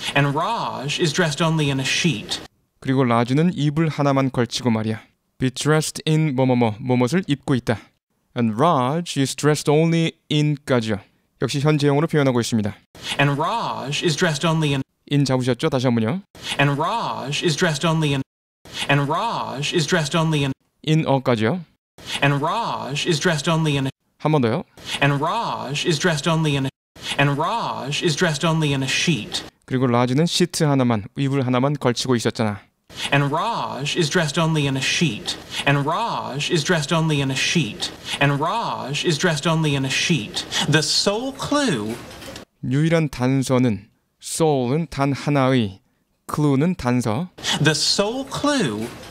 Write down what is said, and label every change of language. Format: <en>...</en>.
<en>And Raj is dressed only in a sheet.</en> <ko>그리고 라지는 이불 하나만 걸치고 말이야.</ko> <en>Be dressed in</en> <ko>뭐뭐뭐, 뭐뭐를 입고 있다.</ko> <en>And Raj is dressed only in까지요.</en> <ko>역시 현재형으로 표현하고 있습니다.</ko> <en>And Raj is dressed only in.</en> <ko>in 잡으셨죠? 다시 한 번요.</ko> <en>And Raj is dressed only in. And Raj is dressed only in.</en> <ko>in 어까지요?</ko> <en>And Raj is dressed only in a</en> <ko>한 번 더요.</ko> <en>And Raj is dressed only in a And Raj is dressed only in a sheet.</en> <ko>그리고 라지는 시트 하나만, 이불 하나만 걸치고 있었잖아.</ko> <en>And Raj is dressed only in a sheet. And Raj is dressed only in a sheet. And Raj is dressed only in a sheet. The sole clue</en> <ko>유일한 단서는 sole은 단 하나의 clue는 단서</ko> <en>The sole clue</en>